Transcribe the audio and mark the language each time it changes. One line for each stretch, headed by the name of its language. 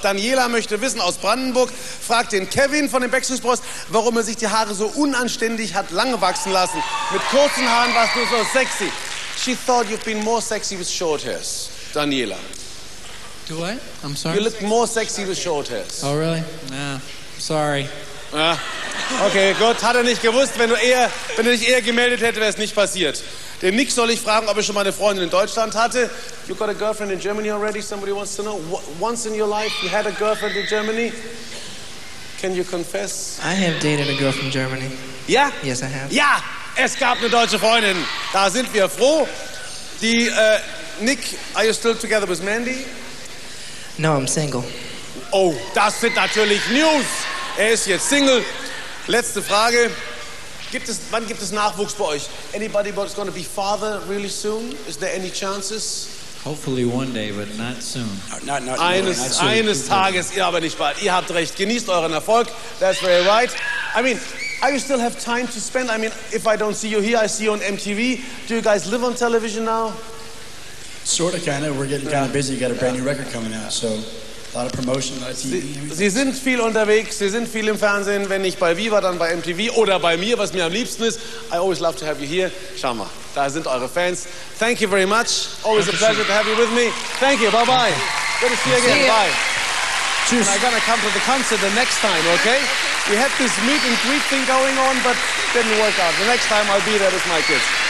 German: Daniela möchte wissen aus Brandenburg, fragt den Kevin von den Backstreet Boys, warum er sich die Haare so unanständig hat lange wachsen lassen. Mit kurzen Haaren warst du so sexy.
English: She thought you've been more sexy with short hairs, Daniela. Do I? I'm sorry. You look more sexy with short hairs. Oh, really? Nah. Sorry.
German: Ah. Okay, gut. Hat er nicht gewusst. Wenn du eher, wenn er dich eher gemeldet hätte, wäre es nicht passiert. Den Nick soll ich fragen, ob er schon mal eine Freundin in Deutschland hatte.
English: You got a girlfriend in Germany already? Somebody wants to know. Once in your life you had a girlfriend in Germany? Can you confess? I have dated a girl from Germany.
German: Ja?
English: Yes, I have.
German: Ja! Es gab eine deutsche Freundin. Da sind wir froh.
English: Die, Nick, are you still together with Mandy? No, I'm single.
German: Oh, das sind natürlich News. Er ist jetzt single. Letzte Frage. Gibt es, wann gibt es Nachwuchs bei euch?
English: Anybody that's going to be father really soon? Is there any chances? Hopefully one day, but not soon.
German: Not eines Tages, ihr aber nicht bald. Ihr habt recht. Genießt euren Erfolg.
English: That's very right. I mean, I still have time to spend. I mean, if I don't see you here, I see you on MTV. Do you guys live on television now? Sort of, kind of. We're getting kind of busy. You got a brand new record coming out, so a lot of promotion.
German: Sie sind viel unterwegs. Sie sind viel im Fernsehen. Wenn nicht bei Viva, dann bei MTV oder bei mir, was mir am liebsten ist.
English: I always love to have you here.
German: Schau mal, da sind eure Fans.
English: Thank you very much. Always a pleasure to have you with me. Thank you. Bye bye. Good to see you again. See you. Bye. Cheers. And I'm gonna come to the concert the next time, okay? We had this meet and greet thing going on, but didn't work out. The next time I'll be there with my kids.